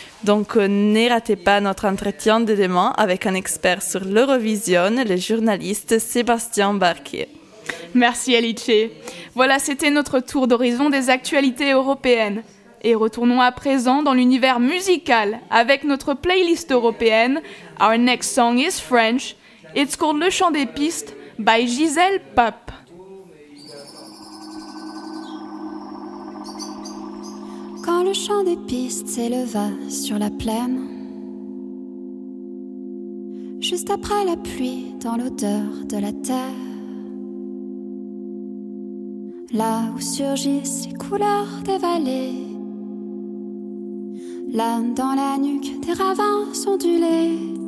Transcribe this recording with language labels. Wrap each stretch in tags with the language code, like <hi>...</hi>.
<fr>Donc ne ratez pas notre entretien de demain avec un expert sur l'Eurovision, le journaliste Sébastien Barquier. Merci Alice. Voilà, c'était notre tour d'horizon des actualités européennes. Et retournons à présent dans l'univers musical avec notre playlist européenne.</fr> <en>Our next song is French. It's called Le Chant des Pistes by Gisèle Pape.</en> <fr>Quand le chant des pistes s'éleva sur la plaine, juste après la pluie dans l'odeur de la terre, là où surgissent les couleurs des vallées, là dans la nuque des ravins ondulés,</fr>